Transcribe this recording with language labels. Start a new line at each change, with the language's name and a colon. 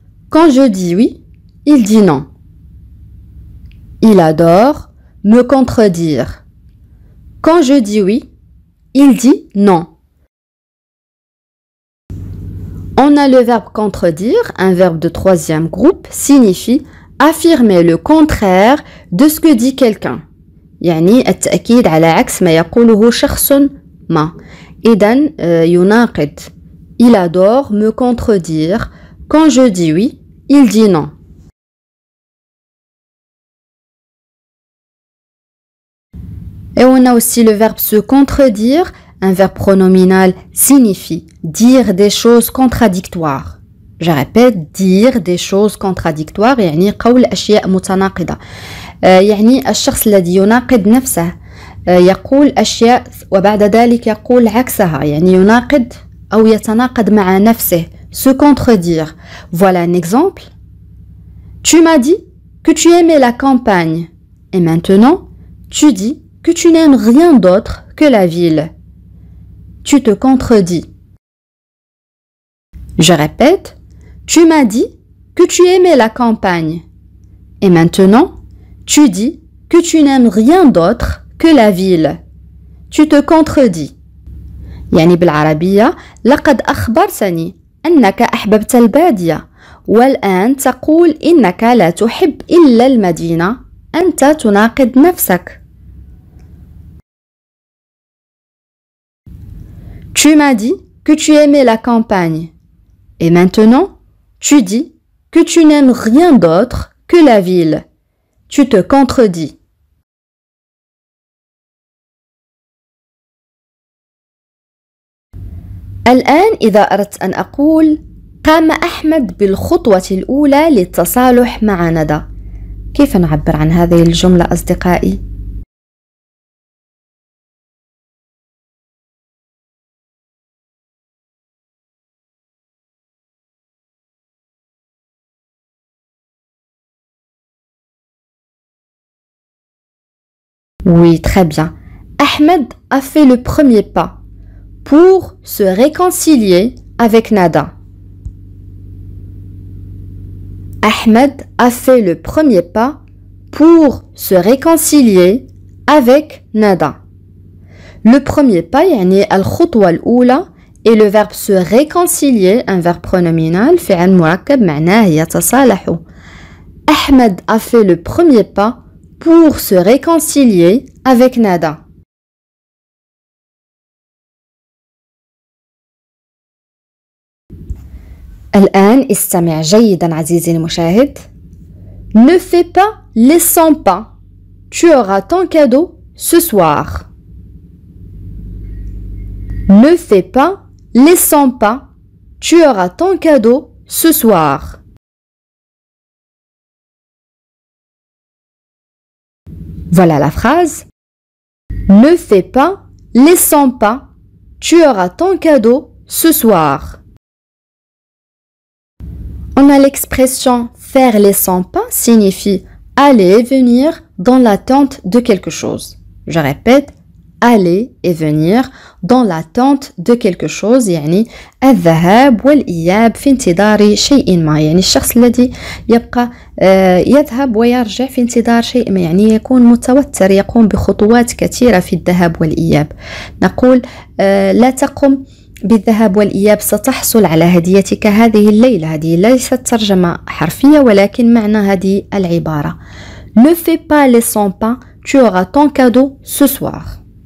French: Quand je dis oui, il dit non. Il adore me contredire. Quand je dis oui, il dit non. On a le verbe contredire, un verbe de troisième groupe, signifie affirmer le contraire de ce que dit quelqu'un.
Arabic: يعني التأكيد على عكس ما يقوله شخص ما. إذن يناقض.
French: Il adore me contredire. Quand je dis oui, il dit non. Et on a aussi le verbe se contredire, un verbe pronominal signifie dire des choses contradictoires. Je répète, dire des choses contradictoires,
Arabic: يعني قول أشياء متناقضة. يعني الشخص الذي يناقض نفسه يقول أشياء وبعد ذلك يقول عكسها. يعني يناقض أو يتناقض مع نفسه.
French: Se contredire. Voilà un exemple. Tu m'as dit que tu aimais la campagne. Et maintenant, tu dis que tu n'aimes rien d'autre que la ville. Tu te contredis. Je répète. Tu m'as dit que tu aimais la campagne. Et maintenant, tu dis que tu n'aimes rien d'autre que la ville. Tu te contredis.
Arabic: يعني بالعربية لقد أخبرتني أنك أحببت البادية والآن تقول إنك لا تحب إلا المدينة. أنت تناقض نفسك.
French: Tu m'as dit que tu aimais la campagne. Et maintenant, tu dis que tu n'aimes rien d'autre que la ville. Tu te contredis.
Arabic: الآن إذا أردت أن أقول قام أحمد بالخطوة الأولى للتصالح مع ندى، كيف نعبر عن هذه الجملة أصدقائي؟
French: Oui, très bien. Ahmed a fait le premier pas pour se réconcilier avec Nada. Ahmed a fait le premier pas pour se réconcilier avec Nada. Le premier pas,
Arabic: يعني الخطوة الأولى,
French: est le verbe se réconcilier, un verbe pronominal,
Arabic: فعل مركب معناه يتصالح.
French: Ahmed a fait le premier pas pour se réconcilier avec Nada.
Arabic: الآن استمع جيدا عزيزي المشاهد.
French: Ne fais pas les 100 pas. Tu auras ton cadeau ce soir. Ne fais pas les 100 pas. Tu auras ton cadeau ce soir. Voilà la phrase. Ne fais pas les 100 pas, tu auras ton cadeau ce soir. On a l'expression faire les 100 pas signifie aller et venir dans l'attente de quelque chose. Je répète, aller et venir dans l'attente de quelque chose,
Arabic: يعني الذهاب والإياب في انتظار شيء ما. يعني الشخص الذي يبقى يذهب ويرجع في انتظار شيء ما. يعني يكون متوتر يقوم بخطوات كثيرة في الذهاب والإياب. نقول لا تقم بالذهاب والإياب ستحصل على هديتك هذه الليلة. هذه ليست ترجمة حرفية ولكن معنى هذه العبارة.
French: Ne fais pas les 100 pas, tu auras ton cadeau ce soir.